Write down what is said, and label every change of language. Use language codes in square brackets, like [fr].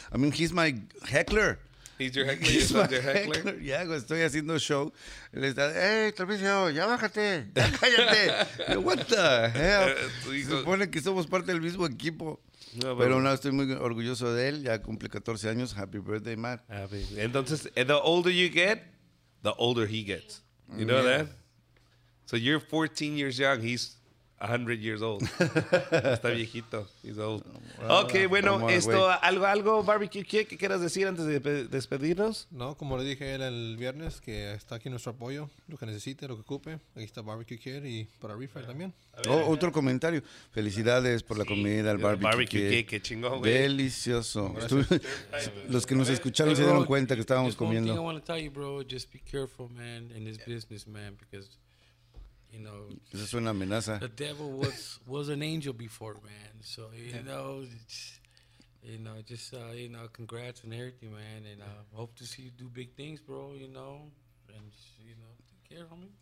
[en] I mean, he's my heckler. He's your heckler. [es] Ya, yeah, estoy haciendo show. Le está, hey, Trapicio, ya bájate. Ya cállate. [en] What the hell? [es] Se supone que somos parte del mismo equipo. No, pero no, estoy muy orgulloso de él. Ya cumple 14 años. [en] Happy birthday, [es] Matt. [en] Happy. Entonces, the older you get, the older he gets. You know that? So you're 14 years young. He's 100 years old. [es] Está viejito. [en] He's old. [es] Ok, bueno, esto, ¿algo Barbecue Kid que quieras decir antes de despedirnos? No, como le dije él el viernes, que está aquí nuestro apoyo, lo que necesite, lo que ocupe. Ahí está Barbecue Kid y para Refry también. Otro comentario. Felicidades por la comida, el Barbecue Kid. Qué chingón, güey. Delicioso. Los que nos escucharon se dieron cuenta que estábamos comiendo. [en] Just one thing I want to tell you, bro. Just be careful, man, in this business, man, because... You know, [es] eso es una amenaza. [en] The devil was an angel before, man. So you know, congrats and everything, man. And I hope to see you do big things, bro. You know, and you know, take care, homie.